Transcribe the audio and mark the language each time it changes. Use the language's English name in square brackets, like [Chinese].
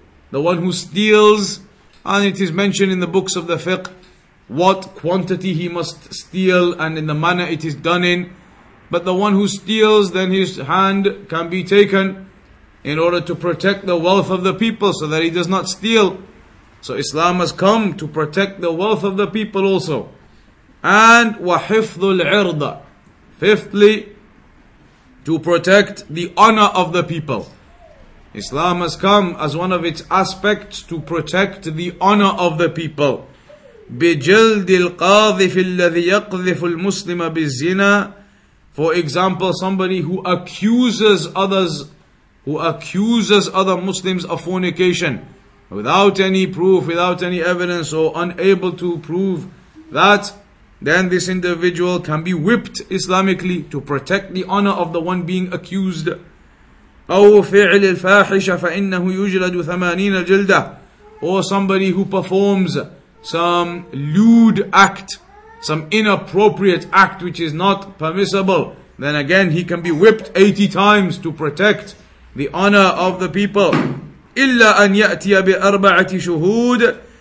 [English] the one who steals, and it is mentioned in the books of the fiqh what quantity he must steal and in the manner it is done in. But the one who steals, then his hand can be taken in order to protect the wealth of the people so that he does not steal. So Islam has come to protect the wealth of the people also. [Arabic] And وَحِفْظُ الْعِرْضَ. [English] Fifthly, to protect the honor of the people. Islam has come as one of its aspects to protect the honor of the people. [Arabic] بِجَلْدِ الْقَاذِفِ الَّذِي يَقْذِفُ الْمُسْلِمَ بِالزِّنَا. [English] For example, somebody who accuses others, who accuses other Muslims of fornication, without any proof, without any evidence, or unable to prove that, then this individual can be whipped Islamically to protect the honor of the one being accused. [Arabic] أو فعل الفاحشة فإنه يجلد 80 جلدة. [English] Or somebody who performs some lewd act, some inappropriate act which is not permissible, then again he can be whipped 80 times to protect the honor of the people. [Arabic] إِلَّا أَنْ يَأْتِيَ بِأَرْبَعَةِ شُهُودٍ.